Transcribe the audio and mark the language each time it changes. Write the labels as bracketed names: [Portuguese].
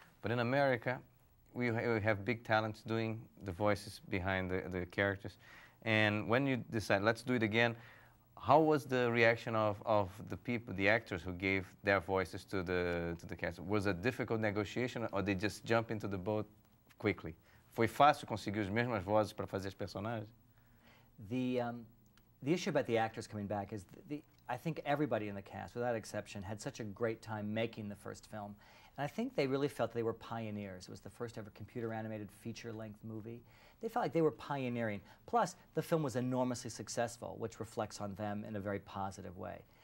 [English] But in America, we have big talents doing the voices behind the characters. And when you decide, let's do it again, how was the reaction of the people, the actors who gave their voices to the cast? Was it a difficult negotiation, or they just jump into the boat quickly? [Portuguese] Foi fácil conseguir as mesmas vozes para fazer os personagens? [English] The issue about the actors coming back is I think everybody in the cast, without exception, had such a great time making the first film. And I think they really felt that they were pioneers. It was the first ever computer animated feature length movie. They felt like they were pioneering. Plus, the film was enormously successful, which reflects on them in a very positive way.